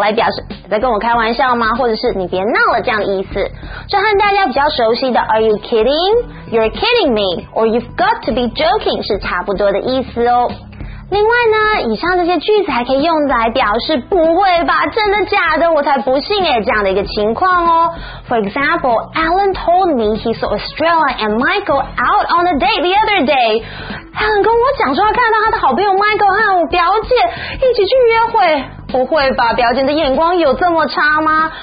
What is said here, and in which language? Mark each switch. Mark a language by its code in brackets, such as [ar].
[zh] 来表示你在跟我开玩笑吗？或者是你别闹了这样的意思。这和大家比较熟悉的 [en] Are you kidding? You're kidding me? Or you've got to be joking? [zh] 是差不多的意思哦。另外呢，以上这些句子还可以用来表示不会吧，真的假的，我才不信耶，这样的一个情况哦。 [en] For example, Alan told me he saw Estrella and Michael out on a date the other day. [zh] Alan 跟我讲说他看到他的好朋友 Michael 和我表姐一起去约会。不会吧，表姐的眼光有这么差吗？